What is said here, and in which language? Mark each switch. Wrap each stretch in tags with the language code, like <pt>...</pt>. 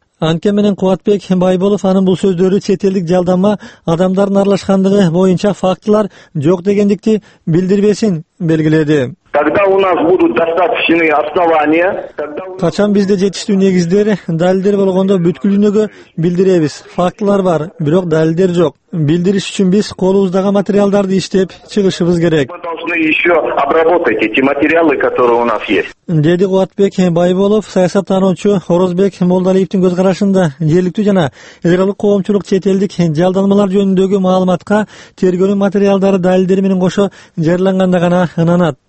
<ky>Анткен менен Кубатбек Байболов анын бул сөздөрү чет элдик жалдама адамдардын аралашкандыгы боюнча фактылар жок дегендикти билдирбесин белгиледи.</ky> <ru>Когда у нас будут достаточные основания,</ru> <ky>качан бизде жетиштүү негиздер, далилдер болгондо бүткүл дүйнөгө билдиребиз. Фактылар бар, бирок далилдер жок. Билдириш үчүн биз колубуздагы материалдарды иштеп чыгышыбыз керек. Деди Кубатбек Байболов, саясат тануучу Орозбек Молдалиевдин көз карашында жергиликтүү жана ыйгарлык коомчулук чет элдик жалдамалар жөнүндөгү маалыматка тергөөнүн материалдары далилдери менен кошо жарыяланганда гана ынанат.</ky>